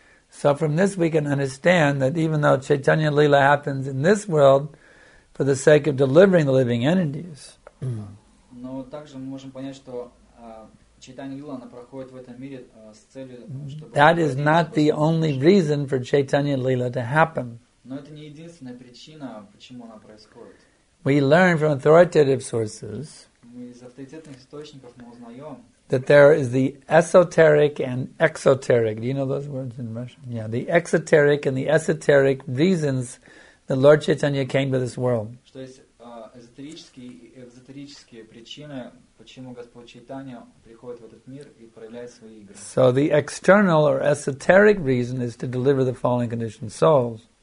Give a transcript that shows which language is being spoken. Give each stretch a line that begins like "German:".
English: So from this we can understand that even though Chaitanya Leela happens in this world for the sake of delivering the living entities, that is not the only reason for Chaitanya Leela to happen.
Russian: Но это не единственная причина, почему она происходит.
English: We learn from authoritative sources.
Russian: Мы из авторитетных источников мы узнаем.
English: That there is the esoteric and exoteric. Do you know those words in Russian? Yeah, the exoteric and the esoteric reasons that Lord Chaitanya came to this world.
Russian: Что есть эзотерические и экзотерические причины, почему Господь Чайтанья приходит в этот мир и проявляет свои игры.
English: So the external or esoteric reason is to deliver the fallen conditioned souls.